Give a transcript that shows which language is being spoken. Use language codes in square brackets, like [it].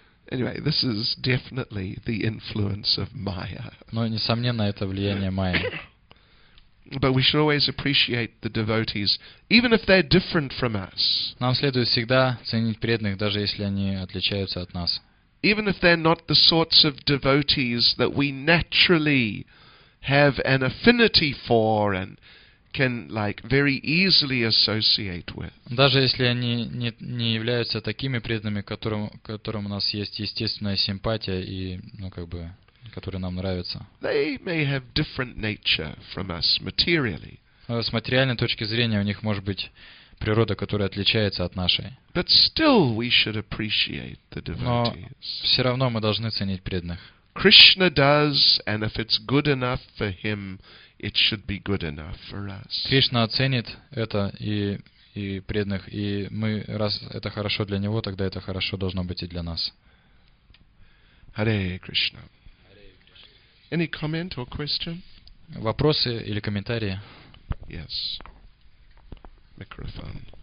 [en] Anyway, this is definitely the influence of Maya. [ru] Но несомненно это влияние Майи. [en] But we should always appreciate the devotees, even if they're different from us. [ru] Нам следует всегда ценить преданных, даже если они отличаются от нас. [en] Even if they're not the sorts of devotees that we naturally have an affinity for and can like very easily associate with. [ru] Даже если они не являются такими преданными, которым у нас есть естественная симпатия и, ну, как бы, которые нам нравятся. [en] They may have different nature from us materially. [ru] С материальной точки зрения у них может быть природа, которая отличается от нашей. [en] But still we should appreciate the devotees. [ru] Но все равно мы должны ценить преданных. [en] Krishna does, and if it's good enough for him, it should be good enough for us. [ru] Кришна оценит это и преданных, и мы, раз это хорошо для него, тогда это хорошо должно быть и для нас. [en] Hare Krishna. Any comment or question? [ru] Вопросы или комментарии? [en] Yes. Microphone.